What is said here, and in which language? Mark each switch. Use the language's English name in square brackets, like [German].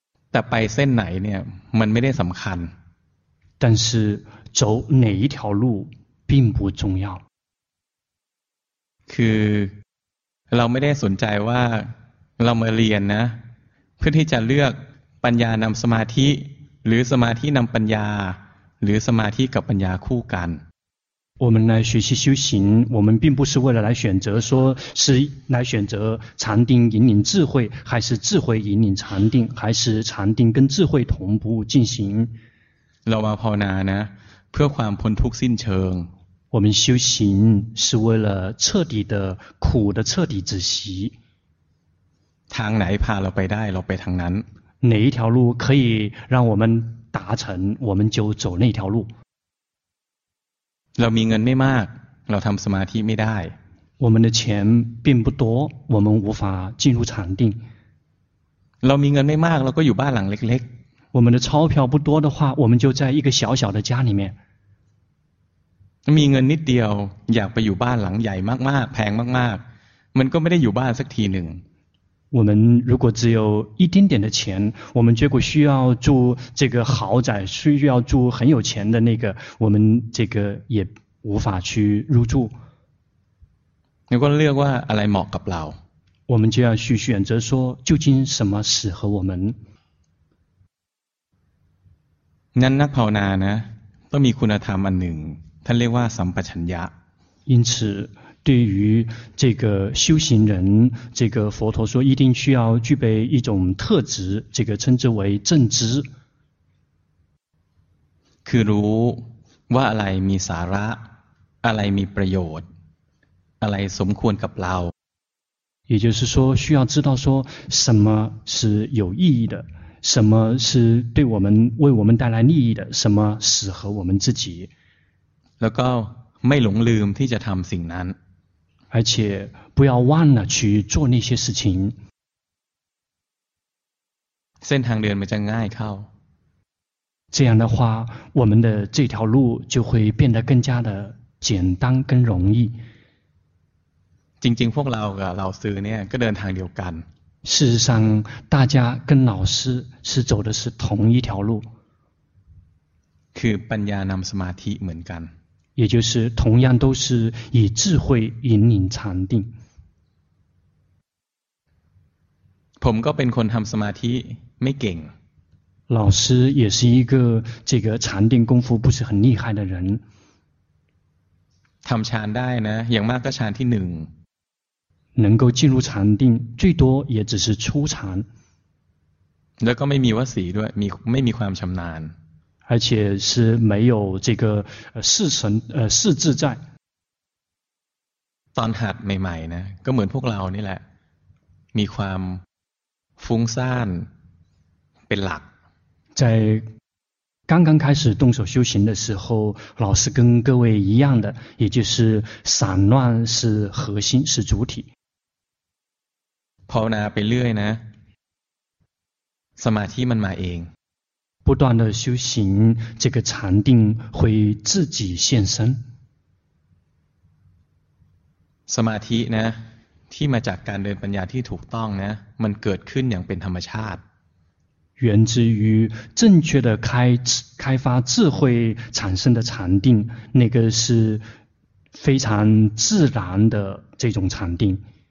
[Thai] แต่ไปเส้นไหนเนี่ยมันไม่ได้สำคัญ [Chinese] 但是走哪一条路并不重要 [Thai] คือเราไม่ได้สนใจว่าเรามาเรียนนะเพื่อที่จะเลือกปัญญานำสมาธิหรือสมาธินำปัญญาหรือสมาธิกับปัญญาคู่กัน [Chinese] 我们来学习修行我们并不是为了来选择说是来选择禅定引领智慧还是智慧引领禅定还是禅定跟智慧同步进行 [Thai] เรามาภาวนานะเพื่อความพ้นทุกข์สิ้นเชิง [Chinese] 我们修行是为了彻底的苦的彻底止息 [Thai] ทางไหนพาเราไปได้เราไปทางนั้น [Chinese] 哪一条路可以让我们达成我们就走那条路 [Thai] เรามีเงินไม่มากเราทำสมาธิไม่ได้ [Chinese] 我们的钱并不多我们无法进入禅定 [Thai] เรามีเงินไม่มากเราก็อยู่บ้านหลังเล็ก [Chinese] ๆ我们的钞票不多的话我们就在一个小小的家里面 [Thai] มีเงินนิดเดียวอยากไปอยู่บ้านหลังใหญ่มากๆแพงมากๆมันก็ไม่ได้อยู่บ้านสักทีหนึ่ง [Chinese] 我们如果只有一丁点的钱我们结果需要住这个豪宅需要住很有钱的那个我们这个也无法去入住你 [Thai] ก็เลือกว่าอะไรเหมาะกับเรา [Chinese] 我们就要去选择说究竟什么适合我们 [Thai] งั้นนักภาวนานะต้องมีคุณธรรมอันหนึ่งท่านเรียกว่าสัมปชัญญะ [Chinese] 因此对于这个修行人这个佛陀说一定需要具备一种特质这个称之为正知 [Thai] คือรู้ว่าอะไรมีสาระอะไรมีประโยชน์อะไรสมควรกับเรา [Chinese] 也就是说需要知道说什么是有意义的什么是对我们为我们带来利益的什么适合我们自己 [Thai] แล้วก็ไม่หลงลืมที่จะทำสิ่งนั้น [Chinese] 而且不要忘了去做那些事情 [Thai] เส้นทางเดินมันจะง่ายเข้า [Chinese] 这样的话我们的这条路就会变得更加的简单跟容易 [Thai] จริงๆพวกเรากับเราซื้อเนี่ยก็เดินทางเดียวกัน [Chinese] 事实上大家跟老师是走的是同一条路 [Thai] คือปัญญานำสมาธิเหมือนกัน [Chinese] 也就是同样都是以智慧引领禅定 [Thai] ผมก็เป็นคนทำสมาธิไม่เก่ง [Chinese] 老师也是一个这个禅定功夫不是很厉害的人 [Thai] ทำฌานได้นะอย่างมากก็ฌานที่หนึ่ง [Chinese] 能够进入禅定最多也只是初禅 [Thai] แล้วก็ไม่มีวสีด้วยไม่มีความชำนาญ [Chinese] 而且是没有这个四乘四自在 [Thai] ตอนหัดใหม่ๆนะก็เหมือนพวกเรานี่แหละมีความฟุ้งซ่านเป็นหลัก [Chinese] 在刚刚开始动手修行的时候老师跟各位一样的也就是散乱是核心是主体 [Thai] ภาวนาไปเรื่อยนะสมาธิมันมาเอง [Chinese] 不断的修行，这个禅定会自己现身。 [Thai] สมาธินะที่มาจากการเดินปัญญาที่ถูกต้องนะมันเกิดขึ้นอย่างเป็นธรรมชาติ [Chinese] 源自于正确的开发智慧产生的禅定，那个是非常自然的这种禅定。